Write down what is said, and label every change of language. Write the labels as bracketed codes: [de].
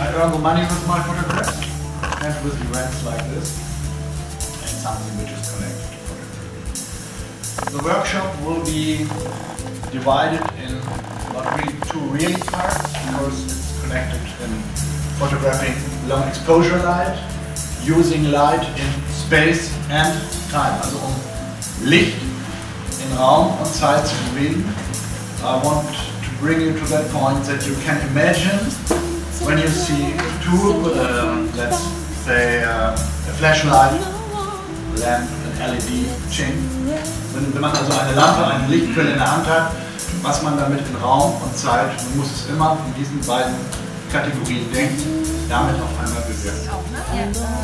[en] I earn the money with my photographs and with events like this and some images connected to photography. The workshop will be divided in what we two really parts, because it's connected in photographing long exposure light, using light in space and time. [de] Also um Licht in Raum und Zeit zu bewegen. [en] I want to bring you to that point that you can imagine when you see two, let's say, a flashlight lamp, an LED chain. [de] Wenn man also eine Lampe, eine Lichtquelle in der Hand hat, was man damit in Raum und Zeit, man muss es immer in diesen beiden Kategorien denken, damit auf einmal bewirken.